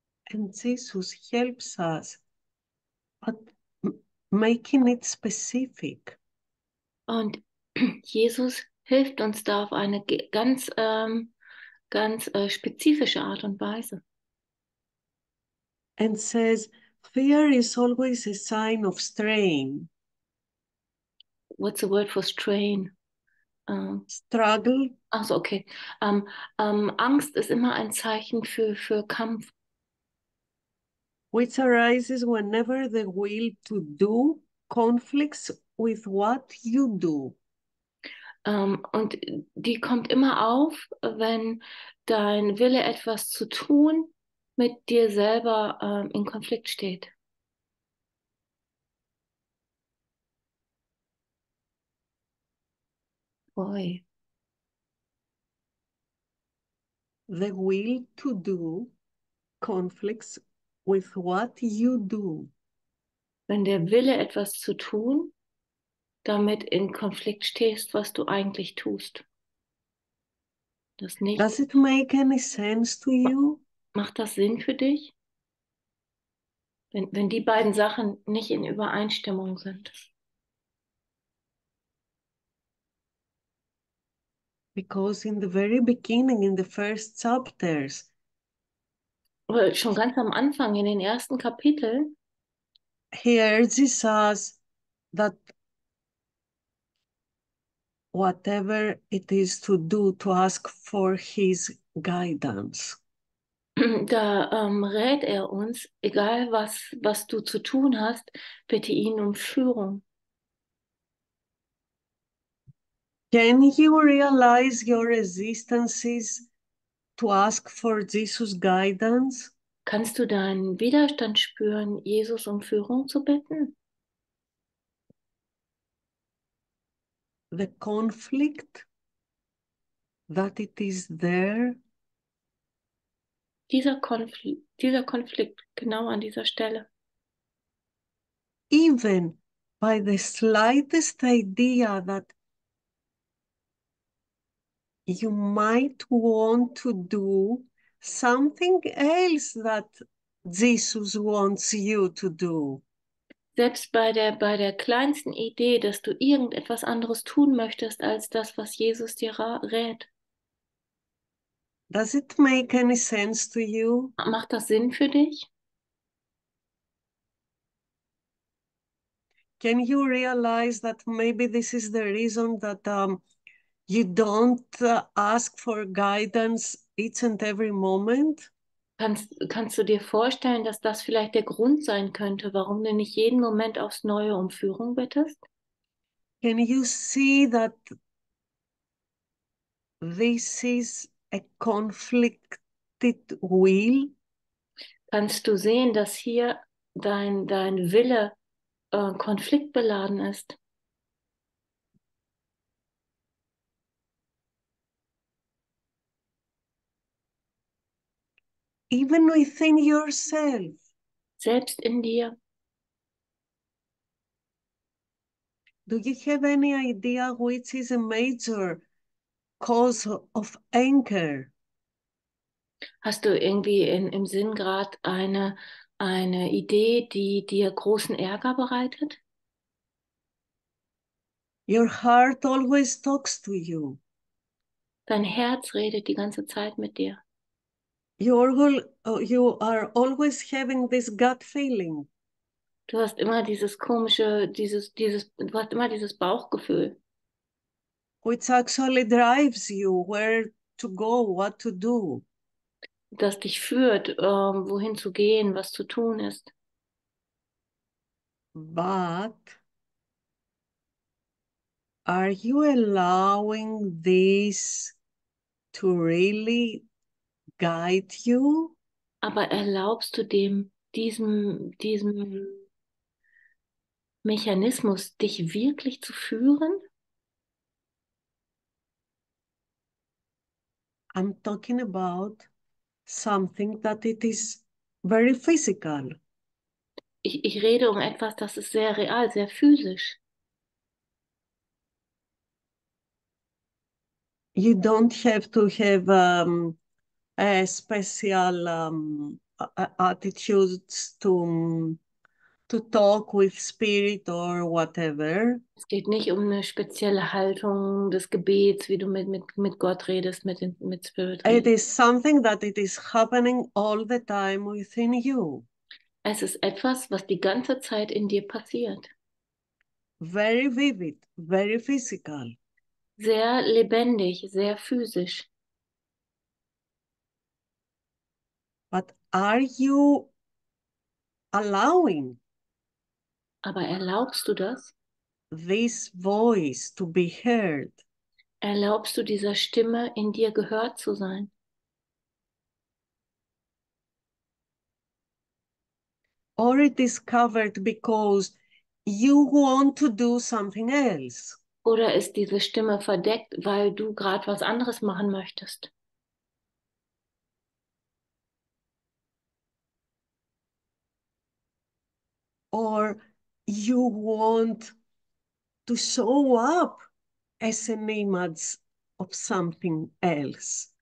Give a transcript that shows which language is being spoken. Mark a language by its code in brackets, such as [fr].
[en] And Jesus helps us at making it specific. [de] Und Jesus hilft uns da auf eine ganz, ganz spezifische Art und Weise. [en] And says, fear is always a sign of strain. What's the word for strain? Struggle. [de] Also okay. Angst ist immer ein Zeichen für Kampf. [en] Which arises whenever the will to do conflicts with what you do. [de] Und die kommt immer auf, wenn dein Wille etwas zu tun mit dir selber in Konflikt steht. [en] Boy. The will to do conflicts with what you do. [de] Wenn der Wille, etwas zu tun, damit in Konflikt stehst, was du eigentlich tust. Das nicht. [en] Does it make any sense to you? [de] Macht das Sinn für dich? Wenn die beiden Sachen nicht in Übereinstimmung sind. [en] Because in the very beginning, in the first chapters, [de] weil schon ganz am Anfang, in den ersten Kapiteln, [en] he urges us that whatever it is to do, to ask for his guidance. [de] Da rät er uns, egal was du zu tun hast, bitte ihn um Führung. [en] Can you realize your resistances to ask for Jesus' guidance? [de] Kannst du deinen Widerstand spüren, Jesus um Führung zu bitten? [en] The conflict that it is there. [de] Dieser Konflikt, genau an dieser Stelle. [en] Even by the slightest idea that you might want to do something else that Jesus wants you to do. [de] Selbst bei der kleinsten Idee, dass du irgendetwas anderes tun möchtest als das, was Jesus dir rät. [en] Does it make any sense to you? [de] Macht das Sinn für dich? [en] Can you realize that maybe this is the reason that you don't ask for guidance each and every moment? [de] Kannst du dir vorstellen, dass das vielleicht der Grund sein könnte, warum du nicht jeden Moment aufs Neue um Führung bittest? [en] Can you see that this is a conflicted will? [de] Kannst du sehen, dass hier dein Wille konfliktbeladen ist? [en] Even within yourself. [de] Selbst in dir. [en] Do you have any idea which is a major cause of anger? [de] Hast du irgendwie im Sinn gerade eine Idee, die dir großen Ärger bereitet? [en] Your heart always talks to you. [de] Dein Herz redet die ganze Zeit mit dir. [en] You are always having this gut feeling. [de] Du hast immer dieses komische, dieses, du hast immer dieses Bauchgefühl. [en] Which actually drives you where to go, what to do. [de] Das dich führt, wohin zu gehen, was zu tun ist. [en] But are you allowing this to really guide you? [de] Aber erlaubst du diesem Mechanismus, dich wirklich zu führen? [en] I'm talking about something that it is very physical. [de] Ich rede um etwas, das ist sehr real, sehr physisch. [en] You don't have to have a special attitudes to talk with spirit or whatever. [de] Es geht nicht um eine spezielle Haltung des Gebets, wie du mit Gott redest, mit Spirit [en] It [de] redest. [en] is something that it is happening all the time within you. [de] Es ist etwas, was die ganze Zeit in dir passiert. [en] Very vivid, very physical. [de] Sehr lebendig, sehr physisch. [en] But are you allowing [de] Aber erlaubst du das? [en] this voice to be heard? [de] Erlaubst du dieser Stimme, in dir gehört zu sein? [en] Or it is covered because you want to do something else? [de] Oder ist diese Stimme verdeckt, weil du gerade was anderes machen möchtest? [en] Or you want to show up as an image of something else.